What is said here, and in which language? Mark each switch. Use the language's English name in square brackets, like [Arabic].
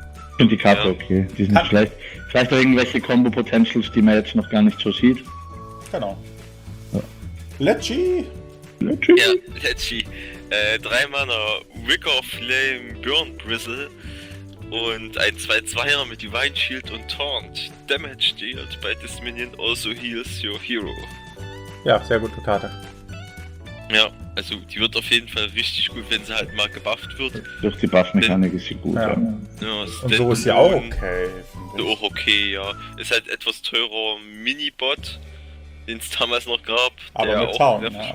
[German] Ich finde die Karte ja. okay, die sind nicht schlecht. Vielleicht auch irgendwelche Combo-Potentials, die man jetzt noch gar nicht so sieht. Genau. Lecce! Lecce! Ja, Lecce. 3 Mana, Wicker Flame, Burn Bristle und ein 2-2er mit Divine Shield und Taunt. [English] Damage dealt by this Minion also heals your hero. [German] Ja, sehr gute Karte. Ja, also die wird auf jeden Fall richtig gut, wenn sie halt mal gebufft wird. Durch die Buff-Mechanik ist sie gut, ja. Und so ist sie auch okay. Doch okay, ja. Ist halt etwas teurer Mini-Bot, den es damals noch gab. Aber der mit auch Taunt, ne?